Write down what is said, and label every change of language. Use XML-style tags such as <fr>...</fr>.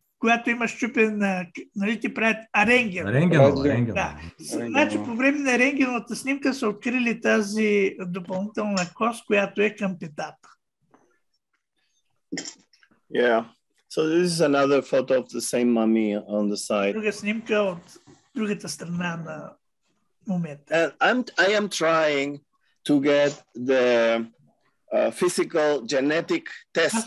<bg>която има щупен, нали, ти правят рентген. Рентген. Да. Значи по време на рентгеновата снимка са открили тази допълнителна кост, която е към петата.</bg> <en>Yeah. So this is another photo of the same mummy on the side.</en> <bg>Друга снимка от другата страна на момента.</bg> <en>And I am trying to get the physical genetic test.</en>